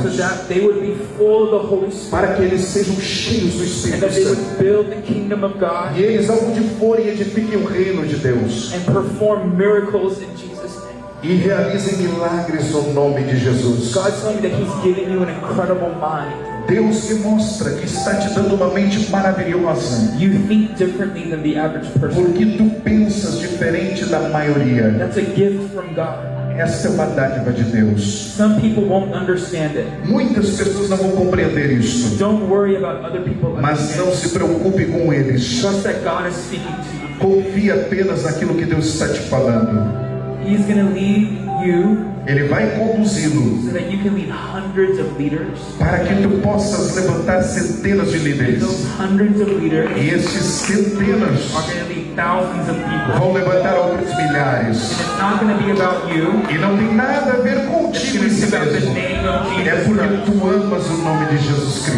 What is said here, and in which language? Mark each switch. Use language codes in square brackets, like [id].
[en] So that they would be full of the Holy Spirit. [pt] Para que eles sejam cheios do Espírito Santo. [en] And build the kingdom of God. [pt] E eles aonde forem edifiquem o reino de Deus. [en] And perform miracles in Jesus. [pt] E realize milagres no nome de Jesus. [en] God's telling me that He's giving you an incredible mind. [pt] Deus te mostra que está te dando uma mente maravilhosa. [en] You think differently than the average person. [pt] Porque tu pensas diferente da maioria. [en] That's a gift from God. [pt] Essa é uma dádiva de Deus. [en] Some people won't understand it. [pt] Muitas pessoas não vão compreender isso. [en] Don't worry about other people. [pt] Mas não se preocupe com eles. [en] Trust that God is speaking to you. [pt] Confie apenas naquilo que Deus está te falando. [en] He's going to lead you. [pt] Ele vai conduzi-lo. [en] So that you can lead hundreds of leaders. [pt] Para que tu possas levantar centenas de líderes. [en] Those hundreds of leaders. [pt] E esses centenas [en] are going to lead thousands of people. [pt] Vão levantar outros milhares. [en] And it's not going to be about you. [pt] E não tem nada a ver contigo. [en] It's about the name of Jesus. [pt] É porque tu amas o nome de Jesus Cristo.